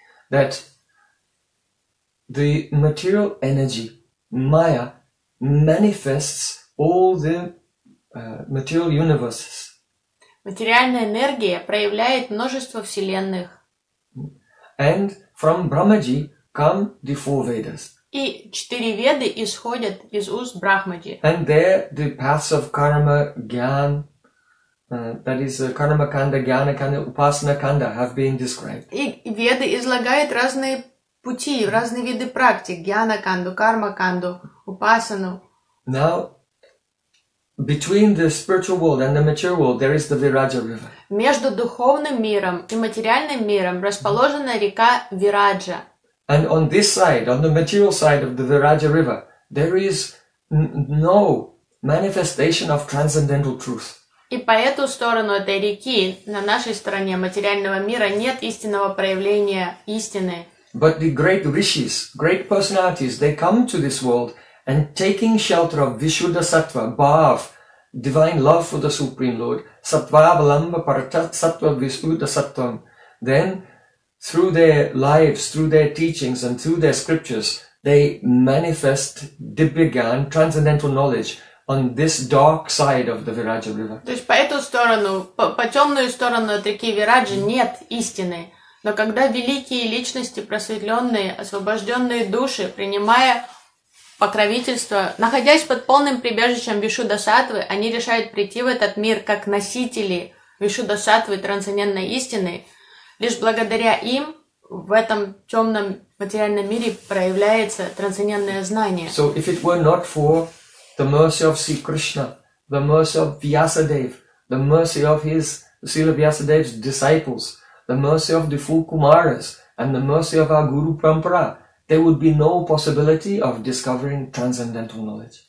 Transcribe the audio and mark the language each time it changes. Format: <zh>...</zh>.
<en>That the material energy, Maya, manifests all the material universes.</en> <ru>Материальная энергия проявляет множество вселенных.</ru> <en>And from Brahmaji come the four Vedas.</en> <ru>И четыре веды исходят из уст Брахмаджи.</ru> <en>And there the paths of karma, gyan, that is karma kanda, gyana kanda, upasana kanda have been described.</en> <ru>И веды излагают разные пути, разные виды практик, гьяна-канду, карма-канду, упасану.</ru> <en>Now, between the spiritual world and the material world, there is the Viraja River.</en> <ru>Между духовным миром и материальным миром расположена река Вираджа.</ru> <en>And on this side, on the material side of the Viraja River, there is no manifestation of transcendental truth.</en> <ru>И по эту сторону этой реки, на нашей стороне материального мира, нет истинного проявления истины.</ru> <en>But the great rishis, great personalities, they come to this world and taking shelter of Vishuddha Sattva, Bhav, divine love for the Supreme Lord,</en> <sa>Sattva Avalamba Paratat Sattva Vishuddha Sattvam,</sa> <en>then through their lives, through their teachings, and through their scriptures, they manifest Dibbigyan, transcendental knowledge, on this dark side of the Viraja river.</en> <ru>То есть по эту сторону, по темную сторону от реки Вираджа нет истины. Но когда великие личности, просветленные, освобожденные души, принимая покровительство, находясь под полным прибежищем Вишудасатвы, они решают прийти в этот мир как носители Вишудасатвы, трансцендентной истины. Лишь благодаря им в этом темном материальном мире проявляется трансцендентное знание.</ru> <en>So if it were not for the mercy of Sri Krishna, the mercy of Vyasadeva, the mercy of his Srila Vyasadeva's disciples, the mercy of the four Kumaras, and the mercy of our Guru Parampara, there would be no possibility of discovering transcendental knowledge.</en>